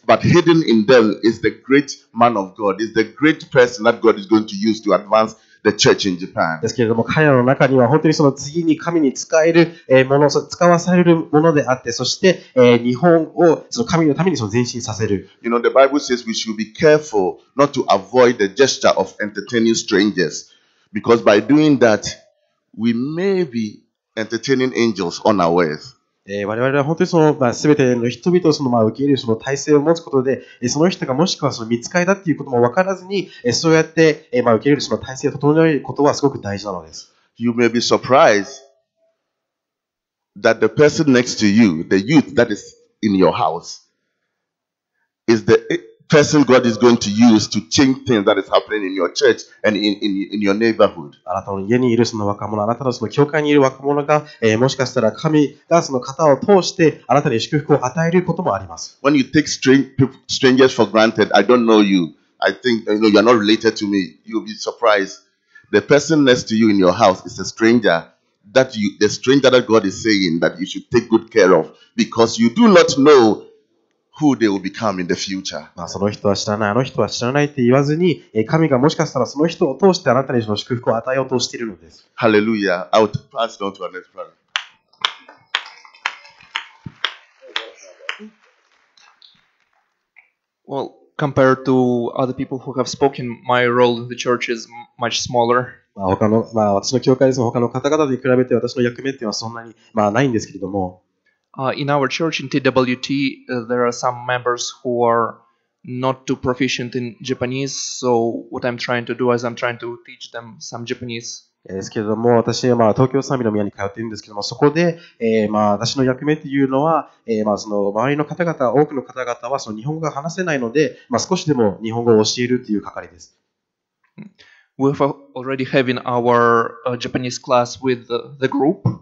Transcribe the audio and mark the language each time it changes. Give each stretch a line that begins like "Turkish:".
English: But hidden in them is the great man of God, is the great person that God is going to use to advance the church in Japan.
Japanese: ですけれども、彼らの中には本当にその次に神に使えるもの、使わされるものであって、そして日本をその神のためにその前進させる。
English: You know, the Bible says we should be careful not to avoid the gesture of entertaining strangers, because by doing that, we may be entertaining angels on our earth.
Japanese: 我々は本当にその、まあ、全ての人々をその、まあ、受け入れるその体制を持つことで、その人がもしくはその見つかりだということも分からずに、そうやって、まあ、受け入れるその体制を整えることはすごく大事なのです。
English: You may be surprised that the person next to you, the youth that is in your house, is the person God is going to use to change things that is happening in your church and in your neighborhood.
Japanese: あなたの家にいるその若者、あなたのその教会にいる若者が、もしかしたら神がその方を通してあなたに祝福を与えることもあります。
English: When you take strangers for granted, I don't know you. I think you know you're not related to me. You'll be surprised. The person next to you in your house is a stranger that you, the stranger that God is saying that you should take good care of because you do not know. Who they will become in the future.
Japanese: まあ、その人は知らない、あの人は知らないって言わずに、神がもしかしたらその人を通してあなたにその祝福を与えようとしているのです。
English: Hallelujah. I will pass it on to our next brother. Well, compared to other people who have spoken, my role in the church is much smaller.
Japanese: まあ、他の、まあ、私の教会ですが、他の方々に比べて私の役目というのはそんなに、まあ、ないんですけれども。
English: In our church in TWT, there are some members who are not too proficient in Japanese. So what I'm trying to do is I'm trying to teach them some Japanese.
Japanese: ですけれども、私は、まあ、東京サミの宮に通っているんですけども、そこで、まあ、私の役目というのは、まあ、その周りの方々、多くの方々はその日本語が話せないので、まあ、少しでも日本語を教えるという係です。
English: We've already having our Japanese class with the group.